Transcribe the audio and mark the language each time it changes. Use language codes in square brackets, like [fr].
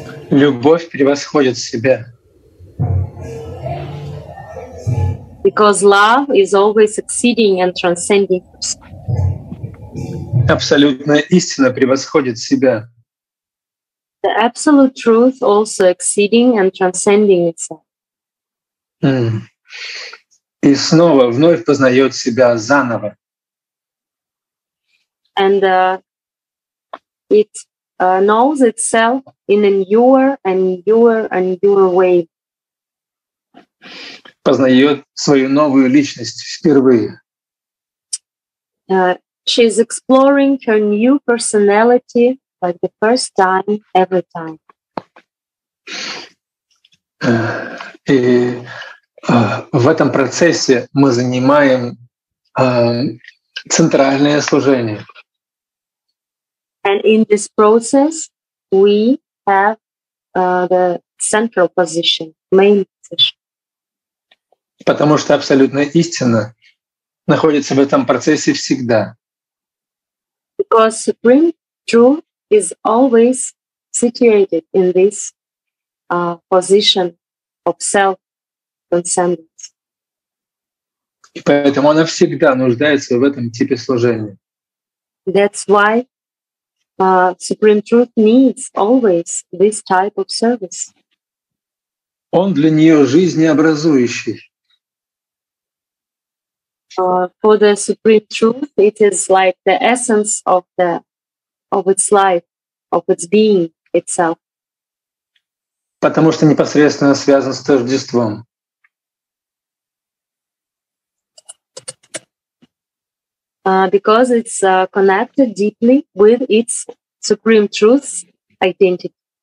[ru] Любовь превосходит себя. [en] Because love is always exceeding and transcending herself. [ru] Абсолютная истина превосходит себя. [en] The absolute truth also exceeding and transcending itself. [ru] И снова, вновь познает себя заново. [en] And it knows itself in a newer and newer and newer way. [ru] познает свою новую личность впервые. [en] She is exploring her new personality like the first time, every time. [ru] И в этом процессе мы занимаем центральное служение. [en] And in this process we have the central position, main position. [ru] Потому что абсолютная истина находится в этом процессе всегда. [en] Because supreme truth is always situated in this position of self-transcendence. [ru] И поэтому она всегда нуждается в этом типе служения. [en] That's why supreme truth needs always this type of service. [ru] Он для нее жизнеобразующий. [en] For the supreme truth, it is like the essence of the of its life, of its being itself. [ru] Потому что непосредственно связан с Тождеством. [en] Because it's connected deeply with its supreme truth's identity.